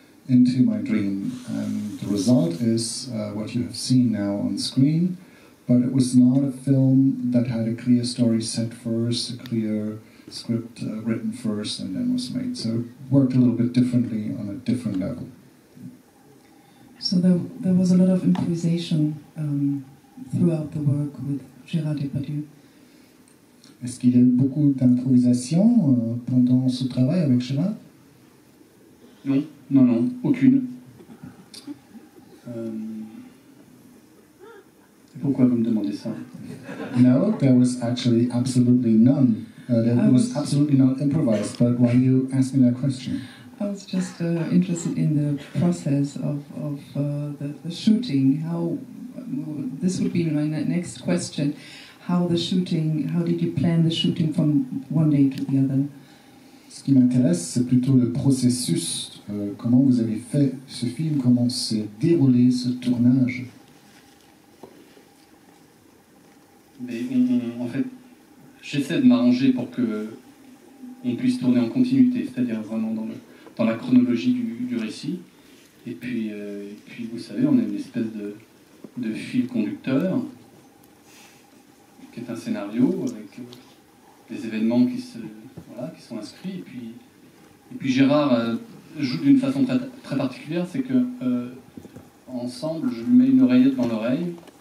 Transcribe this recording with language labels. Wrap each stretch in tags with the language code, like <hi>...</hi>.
<en>into my dream, and the result is what you have seen now on screen, but it was not a film that had a clear story set first, a clear script written first, and then was made, so it worked a little bit differently on a different level. So there was a lot of improvisation throughout the work with Gérard Depardieu.</en> <fr>Est-ce qu'il y a eu beaucoup d'improvisation pendant ce travail avec Gérard? Non, non, non, aucune. Pourquoi vous me demandez ça?</fr> <en>No, there was actually absolutely none. There was absolutely not improvised. But why are you asking that question? I was just interested in the process of the shooting. This would be my next question. How did you plan the shooting from one day to the other?</en> <fr>Ce qui m'intéresse, c'est plutôt le processus. Comment vous avez fait ce film? Comment s'est déroulé ce tournage? Mais en fait, j'essaie de m'arranger pour que on puisse tourner en continuité, c'est-à-dire vraiment dans la chronologie du récit, et puis vous savez, on a une espèce de fil conducteur qui est un scénario avec des événements qui sont inscrits, et puis Gérard joue d'une façon très, très particulière, c'est que ensemble je lui mets une oreillette dans l'oreille.</fr>